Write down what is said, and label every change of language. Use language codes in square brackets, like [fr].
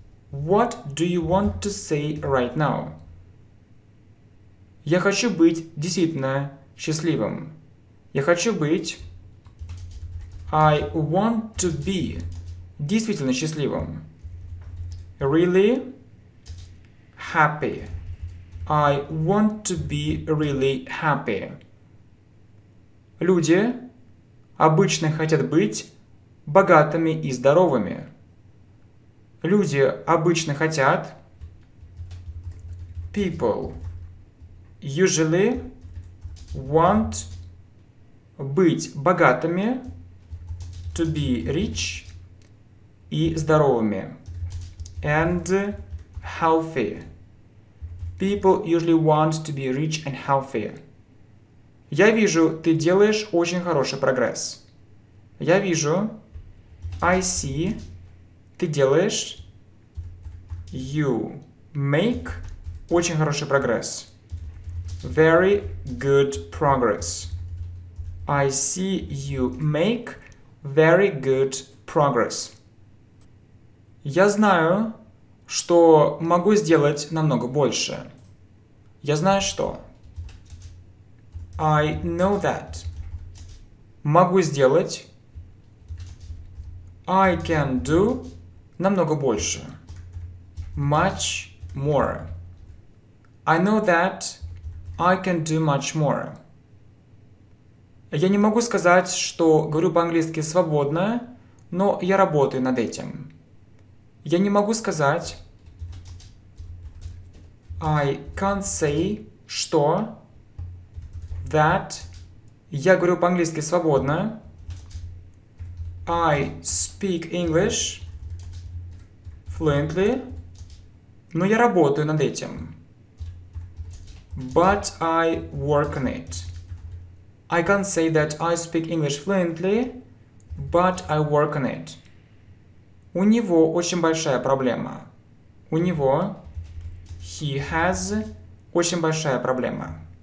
[en] What do you want to say right now? [ru] Я хочу быть действительно счастливым. Я хочу быть... [en] I want to be [ru] действительно счастливым. [en] Really happy. I want to be really happy. [ru] Люди... Обычно хотят быть богатыми и здоровыми. Люди обычно хотят... [en] People usually want [ru] быть богатыми, [en] to be rich [ru] и здоровыми. [en] And healthy. People usually want to be rich and healthy. [ru] Я вижу, ты делаешь очень хороший прогресс. Я вижу, [en] I see, [ru] ты делаешь, [en] you make [ru] очень хороший прогресс. [en] Very good progress. I see you make very good progress. [ru] Я знаю, что могу сделать намного больше. Я знаю, что... [en] I know that. [ru] Могу сделать. [en] I can do [ru] намного больше. [en] Much more. I know that I can do much more. [ru] Я не могу сказать, что говорю по-английски свободно, но я работаю над этим. Я не могу сказать... [en] I can't say, [ru] что... [en] That... [ru] Я говорю по-английски свободно. [en] I speak English fluently. [ru] Но я работаю над этим. [en] But I work on it. I can't say that I speak English fluently, but I work on it. [ru] У него очень большая проблема. У него... [en] He has... [ru] Очень большая проблема.